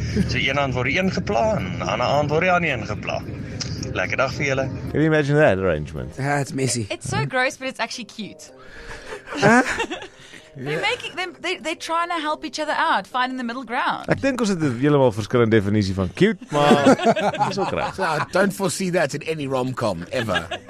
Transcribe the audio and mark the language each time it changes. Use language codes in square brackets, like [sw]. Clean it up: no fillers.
[af] So een hand word die een geplaan, ander hand word die ander een geplaan. Lekker dag vir julle. [en] Can you imagine that arrangement? It's messy. It's so gross but it's actually cute. Yeah. They're trying to help each other out, finding the middle ground. [af] Ek dink ons het 'n heeltemal verskillende definisie van cute, maar dis ook reg. [en] So, I don't foresee that in any rom-com ever.